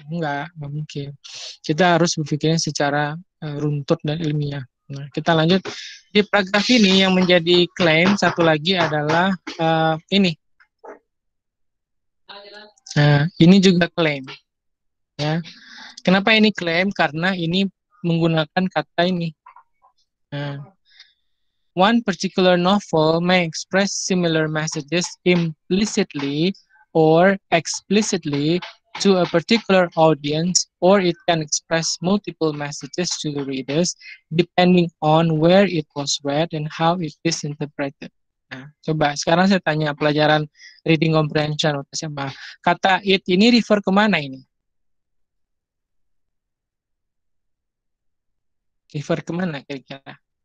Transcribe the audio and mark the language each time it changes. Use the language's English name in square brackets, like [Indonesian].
[Indonesian] Enggak mungkin. Kita harus berpikirnya secara runtut dan ilmiah. Nah, kita lanjut. Di paragraf ini yang menjadi klaim satu lagi adalah ini. Nah, ini juga klaim. Ya. Kenapa ini klaim? Karena ini menggunakan kata ini. [English] Nah, one particular novel may express similar messages implicitly or explicitly to a particular audience, or it can express multiple messages to the readers depending on where it was read and how it is interpreted. [Indonesian] Nah, coba sekarang saya tanya pelajaran [English] reading comprehension [Indonesian] atau siapa. Kata it ini refer kemana ini? Refer kemana kira-kira?